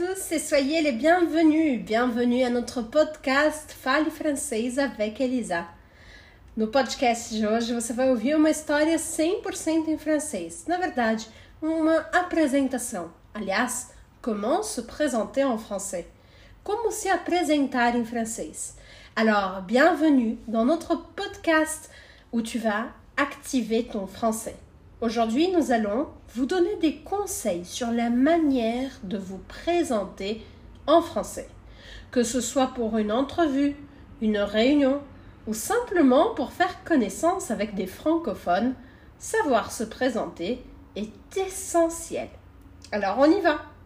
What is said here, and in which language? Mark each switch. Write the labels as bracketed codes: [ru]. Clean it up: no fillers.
[fr] Et soyez les bienvenus, bienvenue à notre podcast Fale Francês avec Elisa. [pt] No podcast de hoje você vai ouvir uma história 100% em francês, na verdade, uma apresentação. [fr] Aliás, comment se présenter en français? [pt] Como se apresentar em francês? [fr] Alors, bienvenue dans notre podcast où tu vas activer ton français. Aujourd'hui, nous allons vous donner des conseils sur la manière de vous présenter en français. Que ce soit pour une entrevue, une réunion ou simplement pour faire connaissance avec des francophones, savoir se présenter est essentiel. Alors, on y va!